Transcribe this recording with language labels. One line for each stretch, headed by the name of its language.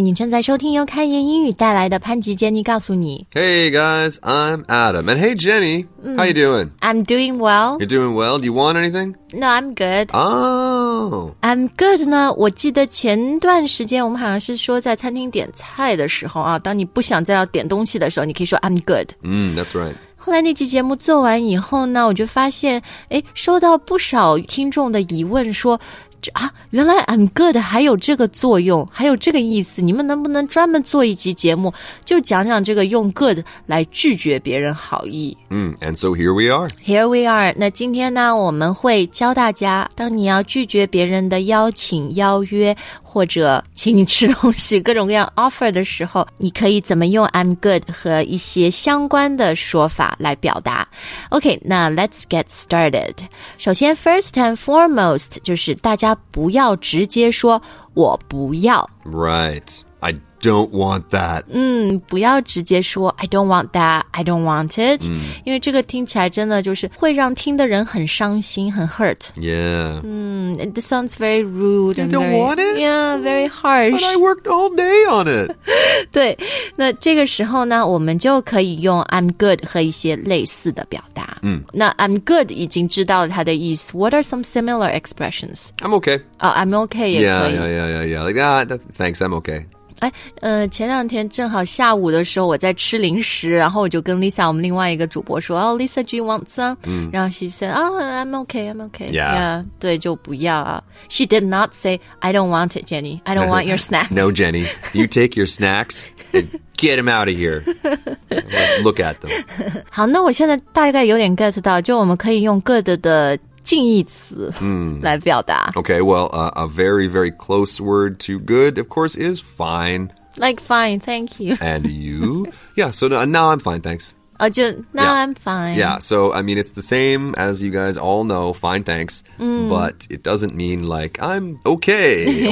Chinese: 你正在收听由开言英语带来的潘吉 Jenny 告诉你。
English: Hey guys, I'm Adam. And hey Jenny,、how you doing? I'm doing well. You're doing well? Do you want anything? No, I'm good. Oh! I'm good
Chinese: 呢，我记得前段时间我们好像是说在餐厅点菜的时候啊，当你不想再要点东西的时候，你可以说 I'm good.
English: That's right.
Chinese: 后来那期节目做完以后呢，我就发现，哎，收到不少听众的疑问说，啊，原来
English: I'm good
Chinese: 还有这个作用，还有这个意思，你们能不能专门做一期节目，就讲讲这个用 good 来拒绝别人好意。
English: And so here we are. Here we are.
Chinese: 那今天呢，我们会教大家，当你要拒绝别人的邀请、邀约，或者请你吃东西，各种各样 offer 的时候，你可以怎么用
English: I'm good
Chinese: 和一些相关的说法来表达。 OK, 那
English: let's get started.
Chinese: 首先
English: first and foremost,
Chinese: 就是大家不要直接说我不要。
English: Right, I don't want that.
Chinese: 不要直接说
English: I don't want that, I don't want it.
Chinese: 因为这个听起来真的就是会让听的人很伤心，很 hurt.
English: Yeah. It sounds very rude. You don't want it? Yeah, very harsh. But I worked all day on it.
Chinese: 对，那这个时候呢，我们就可以用
English: I'm good
Chinese: 和一些类似的表达。那
English: I'm good
Chinese: 已经知道了它的意思。
English: What are some similar expressions? I'm okay. Oh, I'm okay
Chinese: 也可以。
English: Yeah. Like, thanks, I'm okay.
Chinese: 前两天正好下午的时候我在吃零食，然后我就跟 Lisa 我们另外一个主播说
English: Oh, Lisa, do you want some?
Chinese: 然后
English: she said, Oh, I'm okay. Yeah.
Chinese: 对，就不要啊。
English: She did not say, I don't want it, Jenny. I don't want your snacks. No, Jenny. You take your snacks and get them out of here. Let's look at them.
Chinese: 好，那我现在大概有点 get 到，就我们可以用 good 的近义词来表达。
English: Okay, well, a very, very close word to good, of course, is fine. Like fine, thank you. And you? Yeah, so now I'm fine, thanks. Oh, just now I'm fine. Yeah, so, I mean, it's the same as you guys all know, fine, thanks. But it doesn't mean like I'm okay.